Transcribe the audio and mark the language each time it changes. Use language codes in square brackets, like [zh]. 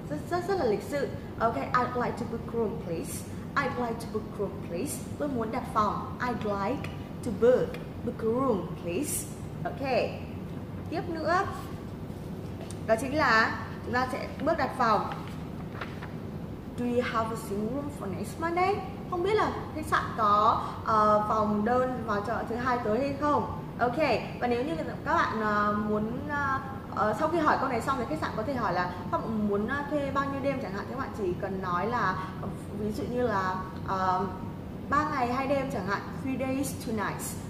[en] Rất là lịch sự. Ok, I'd like to book room please. I'd like to book room please. Tôi muốn đặt phòng. I'd like to book a room please. Ok. [vi] Tiếp nữa, đó chính là chúng ta sẽ bước đặt phòng. [en] Do you have a single room for next Monday? [vi] Không biết là khách sạn có phòng đơn vào chợ thứ hai tới hay không. Ok, và nếu như các bạn muốn sau khi hỏi câu này xong thì khách sạn có thể hỏi là các bạn muốn thuê bao nhiêu đêm chẳng hạn, thì các bạn chỉ cần nói là ví dụ như là 3 ngày 2 đêm chẳng hạn, 3 days 2 nights.